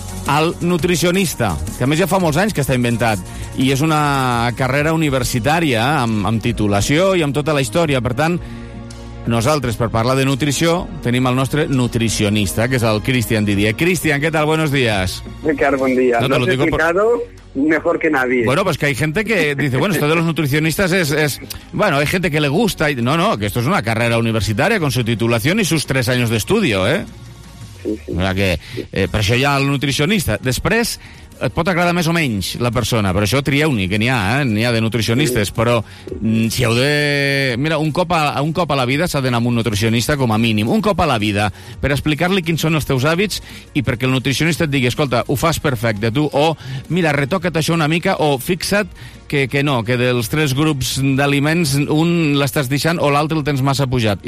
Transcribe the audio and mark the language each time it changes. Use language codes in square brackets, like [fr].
[ca] Al nutricionista, que a més ja fa molts anys que està inventat, i és una carrera universitària amb titulació i amb tota la història. Per tant, nosaltres, per parlar de nutrició, tenim el nostre nutricionista, que és el Cristian Didier. Cristian, què tal? [es] Buenos días. Ricardo, buen día. No te lo digo por... mejor que nadie. Bueno, pues que hay gente que dice, bueno, esto de los nutricionistas es bueno, hay gente que le gusta y no, que esto es una carrera universitaria con su titulación y sus tres años de estudio, ¿eh? Sí, sí. [ca] O sea que, per això hi ha el nutricionista. Després et pot agradar més o menys la persona, però això trieu-n'hi, que n'hi ha, n'hi ha de nutricionistes, sí. Però si heu de... Mira, un cop a la vida s'ha d'anar amb un nutricionista com a mínim, un cop a la vida, per explicar-li quins són els teus hàbits i perquè el nutricionista et digui, escolta, ho fas perfecte, tu, o mira, retoca't això una mica, o fixa't que no, que dels tres grups d'aliments un l'estàs deixant o l'altre el tens massa pujat.